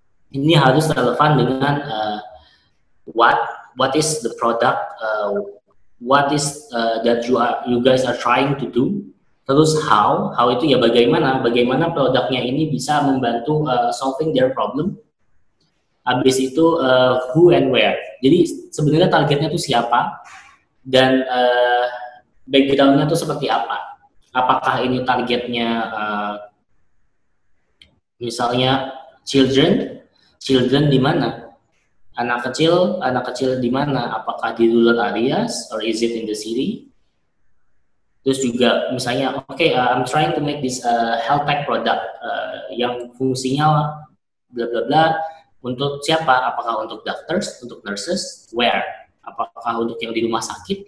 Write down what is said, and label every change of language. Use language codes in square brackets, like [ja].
[id] Ini harus relevan dengan [en] what is the product, what is that you guys are trying to do, terus how [id] itu ya bagaimana produknya ini bisa membantu [en] solving their problem, [id] habis itu [en] who and where. [id] Jadi sebenarnya targetnya itu siapa dan background-nya itu seperti apa? Apakah ini targetnya misalnya children? Children di mana? Anak kecil di mana? Apakah di [en] rural areas or is it in the city? [id] Terus juga misalnya, [en] I'm trying to make this health tech product [id] yang fungsinya bla bla bla untuk siapa? Apakah untuk doctors? Untuk nurses? Where? Apakah untuk yang di rumah sakit?